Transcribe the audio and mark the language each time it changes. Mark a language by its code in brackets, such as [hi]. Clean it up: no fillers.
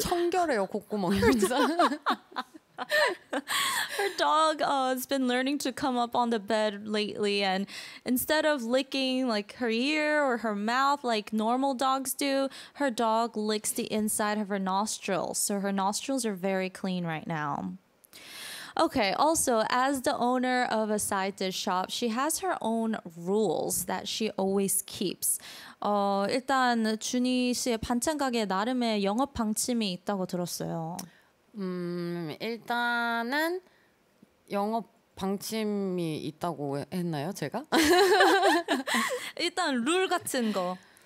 [ko] 청결해요, 콧구멍이 항상. [en] Her dog has been learning to come up on the bed lately, and instead of licking like her ear or her mouth like normal dogs do, her dog licks the inside of her nostrils. So her nostrils are very clean right now. Okay, also, as the owner of a side dish shop, she has her own rules that she always keeps. [ko] 일단 준희 씨의 반찬 가게에 나름의 영업 방침이 있다고 들었어요. 일단은 영업 방침이 있다고 했나요, 제가? 일단 룰 같은 거.